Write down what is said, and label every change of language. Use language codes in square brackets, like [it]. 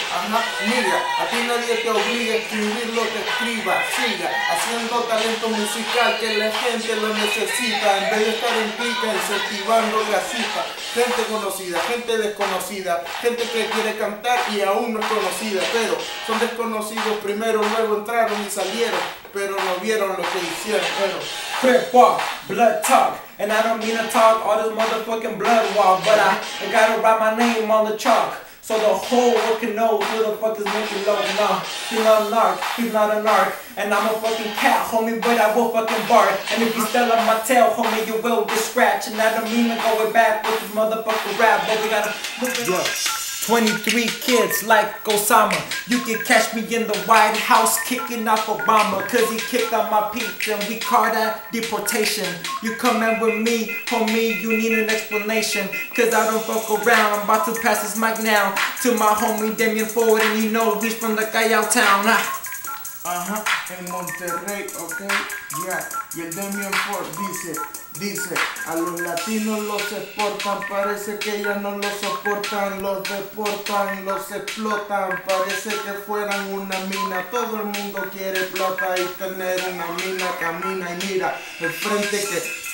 [es] Ajá, mira, a ti nadie te obliga a escribir lo que escriba, siga haciendo talento musical que la gente lo necesita, en vez de estar en pica incentivando la cifra. Gente conocida, gente desconocida, gente que quiere cantar y aún no es conocida, pero son desconocidos primero, luego entraron y salieron, pero no vieron lo que hicieron, pero... [en] Crip walk, blood talk, and I don't mean to talk all this motherfucking blood walk, but I gotta write my name on the chalk so the whole world can know who the fuck is making love. Nah, he's not a narc, he's not a narc, and I'm a fucking cat, homie, but I will fucking bark. And if you steal on my tail, homie, you will get scratched. And I don't mean to go way back with this motherfucking rap, but we gotta move it. Yeah. 23 kids like Osama. You can catch me in the White House kicking off Obama, cause he kicked out my peeps and we call that deportation. You come in with me, homie, you need an explanation, cause I don't fuck around. I'm about to pass this mic now to my homie Damien Ford, and you know he's from the Callao town. [es] En Monterrey, [en] okay, yeah. [es] Y el Damien Ford dice, a los latinos los exportan, parece que ya no los soportan, los deportan, los explotan, parece que fueran una mina, todo el mundo quiere plata y tener una mina, camina y mira, el frente que...